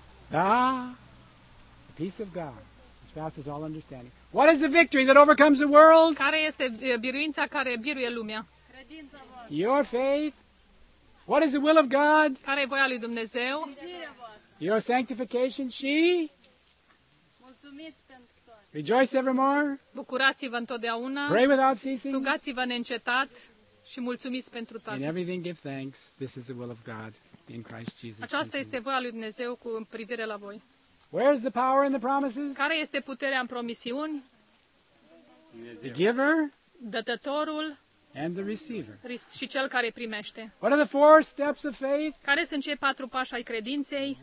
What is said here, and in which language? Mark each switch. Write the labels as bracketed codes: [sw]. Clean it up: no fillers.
[en] Da, the peace of God, which passes all understanding. What is the victory that overcomes the world? [ro] Care este biruința care biruie lumea? [en] Your faith. What is the will of God? [ro] Care e voia lui Dumnezeu? [en] Your sanctification, și? Rejoice evermore. [ro] Bucurați-vă întotdeauna. [en] Pray without ceasing. [ro] Rugați-vă neîncetat și mulțumiți pentru toate. [en] In everything give thanks. This is the will of God in Christ Jesus. [ro] Aceasta este voia lui Dumnezeu cu privire la voi. [en] Where is the power in the promises? [ro] Care este puterea în promisiuni? [en] The giver. [ro] Dătătorul. [en] And the receiver. [ro] Și cel care primește. [en] What are the four steps of faith? [ro] Care sunt cei patru pași ai credinței?